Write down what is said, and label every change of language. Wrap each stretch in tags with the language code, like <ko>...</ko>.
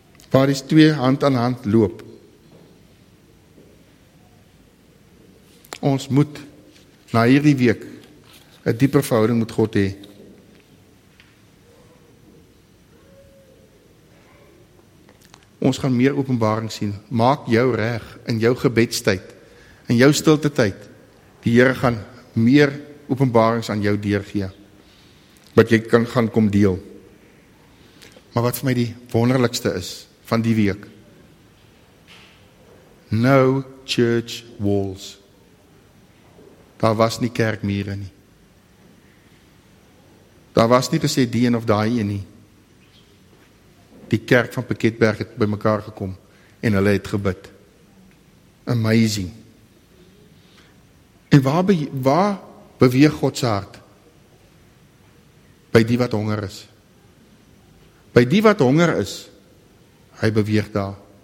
<af>Waar is twee hand aan hand loop. Ons moet na hierdie week 'n dieper verhouding met God hê. Ons gaan meer openbaring sien. Maak jou reg in jou gebedstyd, in jou stilte tyd. Die Here gaan meer openbarings aan jou deurgee wat jy kan gaan kom deel. Maar wat vir my die wonderlikste is van die week.</af> <en>No church walls.</en> <af>Daar was nie kerkmure nie. Daar was nie gesê die een of daai een nie. Die kerk van Pakketberg het by mekaar gekom en hulle het gebid. Amazing. En waar beweeg God se hart? By die wat honger is. By die wat honger is, hy beweeg daar.</af>